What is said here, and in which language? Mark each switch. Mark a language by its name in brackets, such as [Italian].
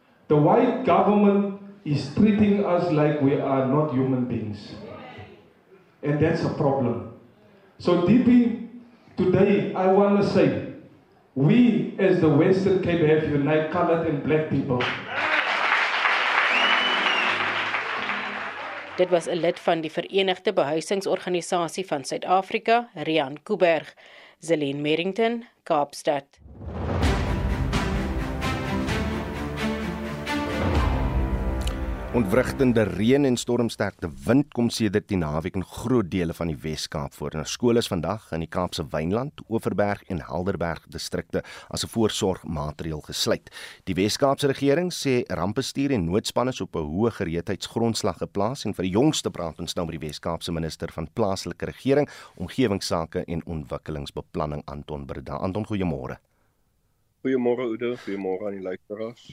[English] The white government is treating us like we are not human beings. And that's a problem. So DP, today I want to say, we as the Western Cape have unite colored and black people. [Afrikaans] Dit was 'n lid van die Verenigde Behuisingsorganisasie van Suid-Afrika, Rian Kuberg, Zelin Merrington, Kaapstad. Ontwrigtende reën en stormsterkte wind kom sedert die naweek in groot dele van die Wes-Kaap voor. Nou skole is vandag in die Kaapse Wynland, Overberg en Helderberg distrikte as 'n voorsorgmaatreël gesluit. Die Wes-Kaapse regering sê rampbestuur en noodspanne is op 'n hoë gereedheidsgrondslag geplaas en vir die jongste praat ons nou met die Wes-Kaapse minister van plaaslike regering, omgewingsake en ontwikkelingsbeplanning Anton Brida. Anton, goeiemôre. Goeiemôre Udo, goeiemôre aan die luisteraars.